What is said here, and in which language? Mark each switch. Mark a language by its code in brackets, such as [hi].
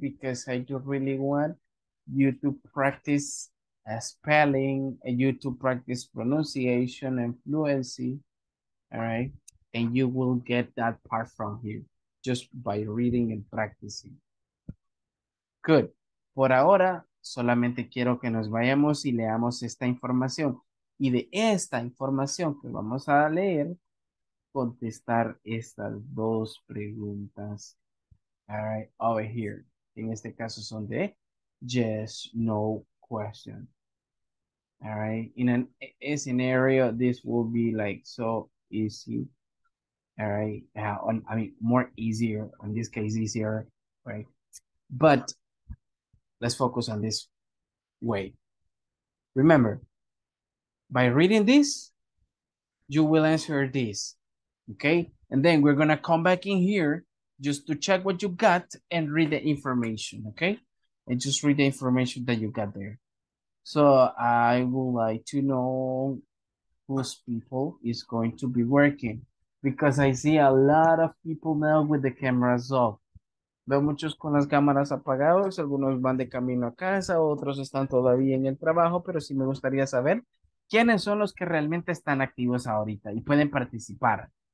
[en] Because I do really want you to practice spelling and you to practice pronunciation and fluency, all right? And you will get that part from here just by reading and practicing. Good. [es] Por ahora, solamente quiero que nos vayamos y leamos esta información. Y de esta información que vamos a leer, contestar estas dos preguntas. [en] All right, over here. [es] En este caso son de [en] yes, no question. All right, in a scenario, this will be like so easy. All right, more easier. In this case, easier, right? But let's focus on this way. Remember, by reading this, you will answer this, okay? And then we're gonna come back in here just to check what you got and read the information, okay? And just read the information that you got there. So I would like to know whose people is going to be working because I see a lot of people now with the cameras off. [es] Veo muchos con las cámaras apagadas, algunos van de camino a casa, otros están todavía en el trabajo, pero sí me gustaría saber quiénes son los que realmente están activos ahorita y pueden participar.